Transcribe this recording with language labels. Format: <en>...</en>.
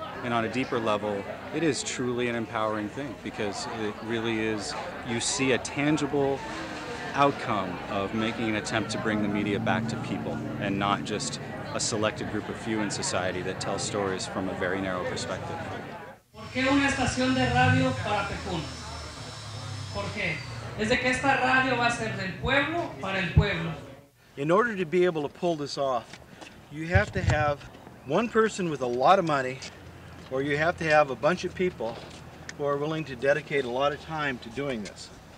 <en>And on a deeper level, it is truly an empowering thing because it really is, you see a tangible outcome of making an attempt to bring the media back to people and not just a selected group of few in society that tell stories from a very narrow perspective.</en> <es>¿Por qué una estación de radio para Pekun? ¿Por qué? Desde que esta radio va a ser del pueblo para el pueblo.</es> <en>In order to be able to pull this off, you have to have one person with a lot of money, or you have to have a bunch of people who are willing to dedicate a lot of time to doing this.</en>